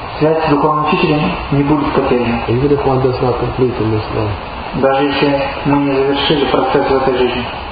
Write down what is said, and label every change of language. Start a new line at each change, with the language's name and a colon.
Russian: Связь с духовным учителем не будет потеряна.
English: Even if one does not complete in this life.
Russian: Даже если мы не завершили процесс в этой жизни.